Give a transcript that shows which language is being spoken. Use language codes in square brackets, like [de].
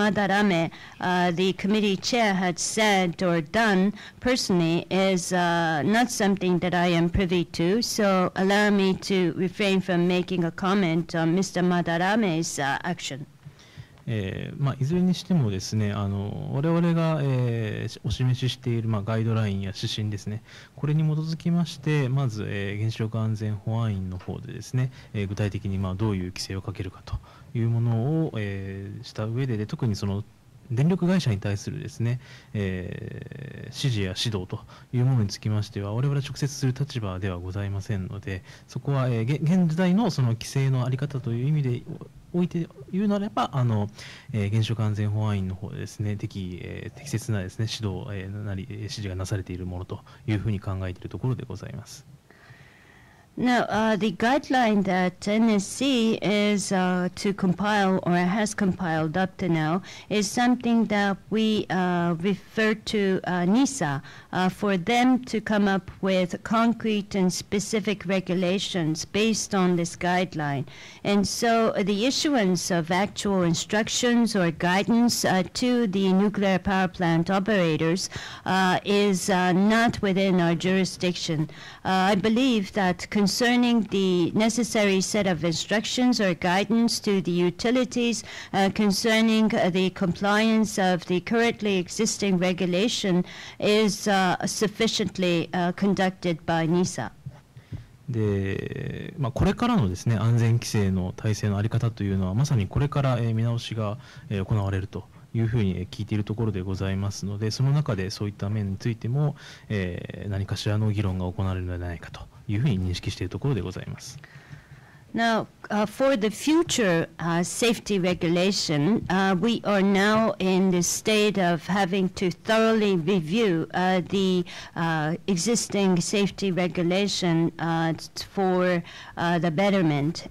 [en] Madarame, the committee chair, had said or done personally is not something that I am privy to, so allow me to refrain from making a comment on Mr. Madarame's action. [ja] まあ、いずれにしてもですね、我々が、お示ししている、まあ、ガイドラインや指針ですね、これに基づきまして、まず、原子力安全保安院の方でですね、具体的に、まあ、どういう規制をかけるかというものを、した上で、特にその電力会社に対するですね、指示や指導というものにつきましては我々は直接する立場ではございませんので、そこは、現時代のその規制のあり方という意味でおいて言うならば、原子力安全保安院の方でですね、適切なですね、指導、なり指示がなされているものというふうに考えているところでございます。 [en] Now, the guideline that NSC is to compile or has compiled up to now is something that we refer to NISA for them to come up with concrete and specific regulations based on this guideline. And so the issuance of actual instructions or guidance to the nuclear power plant operators is not within our jurisdiction. I believe that concerning the necessary set of instructions or guidance to the utilities concerning the compliance of the currently existing regulation is sufficiently conducted by NISA. [ja] で、まあ、これからのですね、安全規制の体制のあり方というのはまさにこれから見直しが行われるというふうに聞いているところでございますので、その中でそういった面についても、何かしらの議論が行われるのではないかというふうに認識しているところでございます。 [en] Now, for the future safety regulation, we are now in the state of having to thoroughly review the existing safety regulation for the betterment.